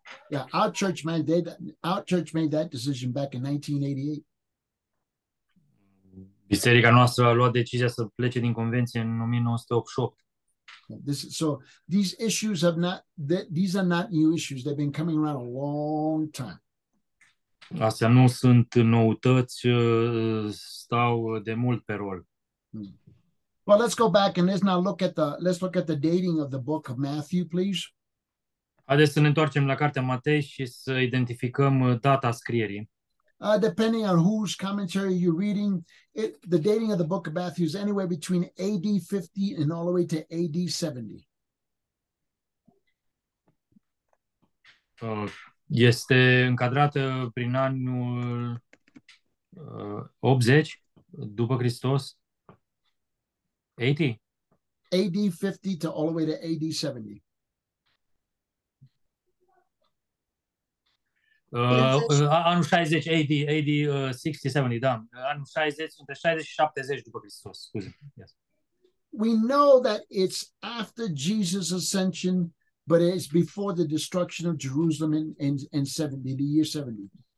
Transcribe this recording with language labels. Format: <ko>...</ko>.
<en>Yeah, our church made that decision back in 1988.</en> <ro>Biserica noastră a luat decizia să plece din convenție în 1988.</ro> <en>These issues have not, these are not new issues. They've been coming around a long time.</en> <ro>Astea nu sunt noutăți, stau de mult pe rol.</ro> <en>Well, let's go back and let's look at the dating of the book of Matthew, please.</en> <ro>Haideți să ne întoarcem la cartea Matei și să identificăm data scrierii.</ro> <en>Depending on whose commentary you're reading, the dating of the book of Matthew is anywhere between AD 50 and all the way to AD 70.</en> <ro>Este încadrată prin anul 80 după Hristos. 80?</ro> <en>AD 50 to all the way to AD 70.</en> <ro>Anul 60, AD, AD 60-70, da. Anul 60, între 60 și 70 după Hristos. Scuze.</ro> <en>Yes. We know that it's after Jesus' ascension, but it's before the destruction of Jerusalem in 70, the year 70.</en>